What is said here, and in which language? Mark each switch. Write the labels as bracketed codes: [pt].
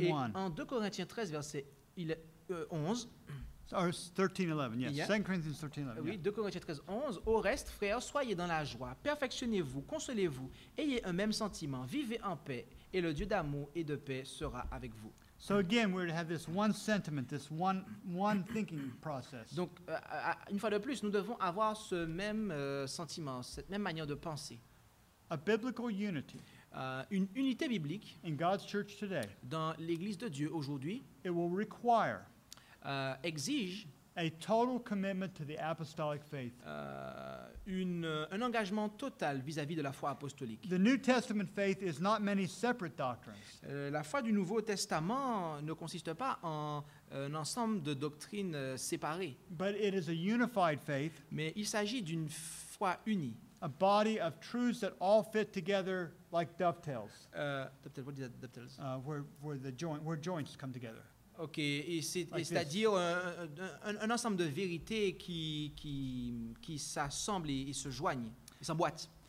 [fr] Et en 2 Corinthiens 13 verset 11. [en] Or 13:11, yes. 2 Corinthians 13:11. [fr] Oui, 2 Corinthiens 13:11. Au reste, frères, soyez dans la joie, perfectionnez-vous, consolez-vous, ayez un même sentiment, vivez en paix, et le Dieu d'amour et de paix sera avec vous. [en] So again, we're to have this one sentiment, this one thinking process. [fr] Donc, une fois de plus, nous devons avoir ce même sentiment, cette même manière de penser. [en] A biblical unity. [fr] Une unité biblique. [en] In God's church today. [fr] Dans l'Église de Dieu aujourd'hui. [en] It will require. [fr] Exige [en] a total commitment to the apostolic faith. [fr] Un engagement total vis-à-vis de la foi apostolique. [en] The New Testament faith is not many separate doctrines. [fr] La foi du Nouveau Testament ne consiste pas en un ensemble de doctrines séparées. [en] But it is a unified faith. [fr] Mais il s'agit d'une foi unie. [en] A body of truths that all fit together like dovetails. What is that, dovetails? Where joints come together. [fr] Ok, c'est-à-dire un ensemble de vérités qui s'assemblent et se joignent, et s'emboîtent.